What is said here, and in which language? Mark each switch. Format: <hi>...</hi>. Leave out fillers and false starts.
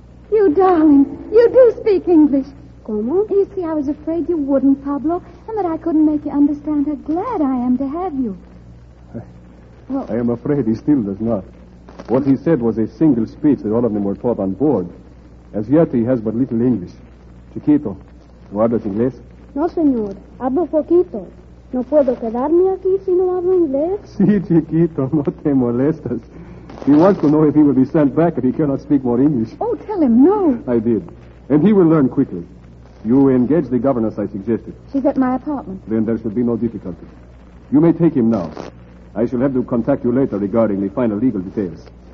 <en>You darling, you do speak English.</en> <es>Como?</es> <en>You see, I was afraid you wouldn't, Pablo, and that I couldn't make you understand how glad I am to have you. Well, I am afraid he still does not. What he said was a single speech that all of them were taught on board. As yet, he has but little English.</en> <es>Chiquito, ¿no hablas inglés? No, señor. Hablo poquito. No puedo quedarme aquí si no hablo inglés. Sí, chiquito, no te molestas.</es> <en>He wants to know if he will be sent back if he cannot speak more English. Oh, tell him no. I did. And he will learn quickly. You engage the governess I suggested. She's at my apartment. Then there should be no difficulty. You may take him now. I shall have to contact you later regarding the final legal details.</en>